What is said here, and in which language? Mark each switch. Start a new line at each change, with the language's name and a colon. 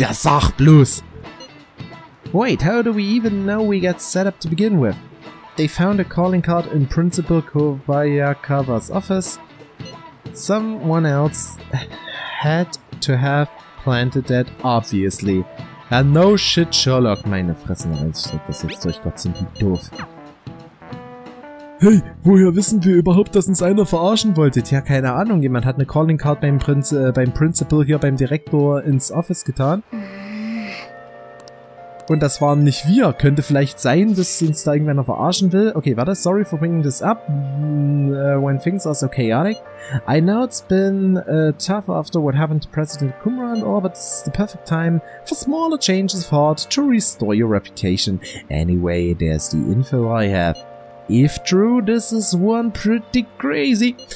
German: Ja, sag bloß!
English: Wait, how do we even know we got set up to begin with? They found a calling card in Principal Kobayakawa's office. Someone else had to have planted that, obviously.
German: Ja,
English: no shit, Sherlock,
German: meine Fresse, ich steck das jetzt durch, Gott, sind die doof. Hey, woher wissen wir überhaupt, dass uns einer verarschen wollte? Tja, keine Ahnung, jemand hat eine Calling Card beim Principal hier beim Direktor ins Office getan. Und das waren nicht wir. Könnte vielleicht sein, dass uns da irgendwer verarschen will.
English: Okay,
German: warte,
English: sorry for bringing this up. When things are so chaotic. I know it's been tough after what happened to President Kumra and all, but this is the perfect time for smaller changes of heart to restore your reputation. Anyway, there's the info I have. If true, this is one pretty crazy.